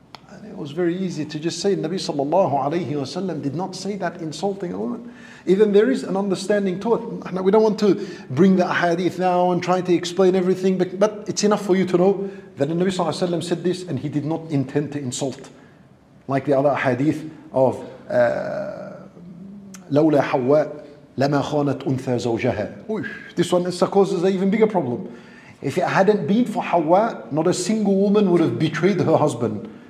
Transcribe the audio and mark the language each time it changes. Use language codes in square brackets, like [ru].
[en] And it was very easy to just say, Nabi sallallahu alayhi wa sallam did not say that insulting a woman. Even there is an understanding to it. We don't want to bring the hadith now and try to explain everything, but it's enough for you to know that the Nabi sallallahu alayhi wa sallam said this and he did not intend to insult. Like the other hadith of [ar] لولا حواء لما خانت أنثى زوجها. [en] This one causes an even bigger problem. If it hadn't been for Hawa, not a single woman would have betrayed her husband.